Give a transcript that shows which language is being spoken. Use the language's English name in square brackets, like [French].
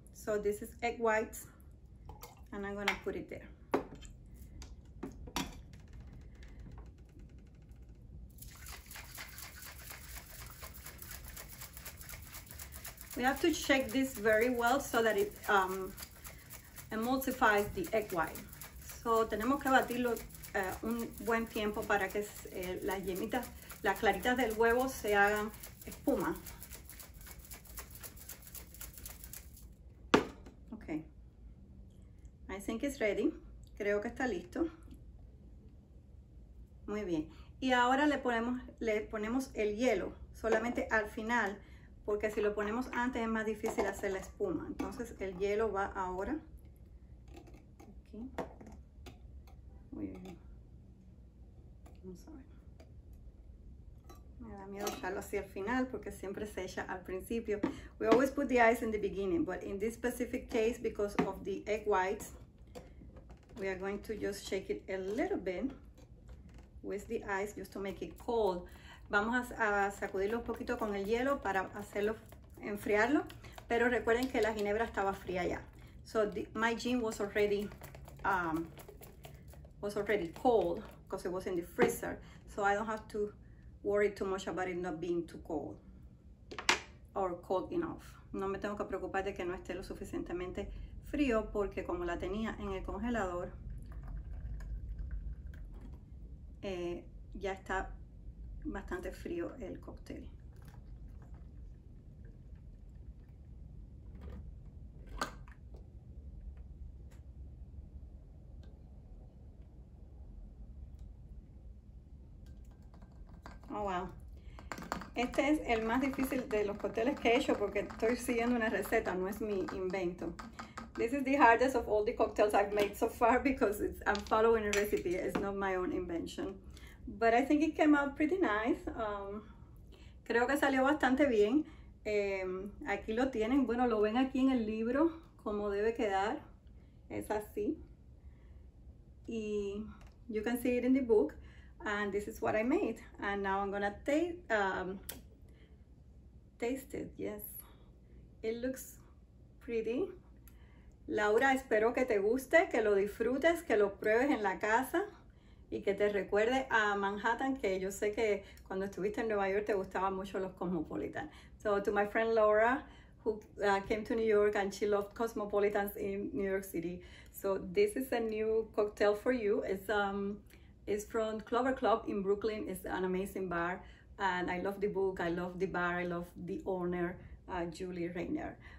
[English] So this is egg whites, and I'm gonna put it there. We have to shake this very well so that it emulsifies the egg white. [Spanish] So tenemos que batirlo un buen tiempo para que las yemitas las claritas del huevo se hagan espuma. [English] Okay. I think it's ready. [Spanish] Creo que está listo. Muy bien. Y ahora le ponemos el hielo solamente al final, porque si lo ponemos antes es más difícil hacer la espuma. Entonces el hielo va ahora. Aquí. Muy bien. Vamos a ver. Me da miedo echarlo así al final porque siempre se echa al principio. [English] We always put the ice in the beginning, but in this specific case, because of the egg whites, we are going to just shake it a little bit with the ice just to make it cold. [Spanish] Vamos a sacudirlo un poquito con el hielo para hacerlo enfriarlo, pero recuerden que la ginebra estaba fría ya. [English] So my gin was already cold because it was in the freezer, so I don't have to worry too much about it not being too cold or cold enough. [Spanish] No me tengo que preocupar de que no esté lo suficientemente frío porque como la tenía en el congelador, ya está bastante frío el cóctel. Oh, wow. Este es el más difícil de los cócteles que he hecho porque estoy siguiendo una receta, no es mi invento. [English] This is the hardest of all the cocktails I've made so far because I'm following a recipe. It's not my own invention. But I think it came out pretty nice. [Spanish] Creo que salió bastante bien. Aquí lo tienen. Bueno, lo ven aquí en el libro, como debe quedar. Es así. [English] Y you can see it in the book. And this is what I made. And now I'm gonna taste it. Yes. It looks pretty. [Spanish] Laura, espero que te guste, que lo disfrutes, que lo pruebes en la casa y que te recuerde a Manhattan, que yo sé que cuando estuviste en Nueva York te gustaban mucho los Cosmopolitan. [English] So to my friend Laura, who came to New York and she loved Cosmopolitans in New York City. So this is a new cocktail for you. It's from Clover Club in Brooklyn. It's an amazing bar. And I love the book, I love the bar, I love the owner, Julie Rayner.